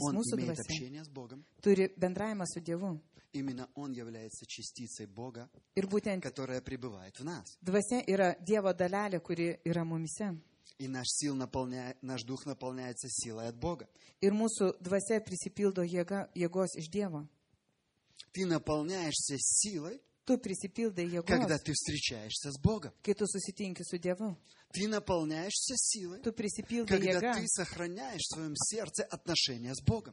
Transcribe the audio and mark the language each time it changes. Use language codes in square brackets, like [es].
[ru] он имеет двасе, общение с Богом. [lt] Turi bendravimą su Dievu. [ru] Именно он является частицей Бога, [lt] ir būtent, [ru] которая пребывает в нас. [lt] Двасе yra Dievo dalelė, kuri yra mumise. [ru] И наш, сил наполня, наш дух наполняется силой от Бога. [lt] Ir mūsų dvasė prisipildo jėga, jėgos iš Dievo. [ru] Ты наполняешься силой, [lt] Tu prisipildai jėgos, [ru] когда ты встречаешься с Богом. [lt] Kai tu susitinki su Dievu. [ru] Ты наполняешься силой, [lt] tu prisipildai jėga, [ru] когда ты сохраняешь в своем сердце отношения с Богом.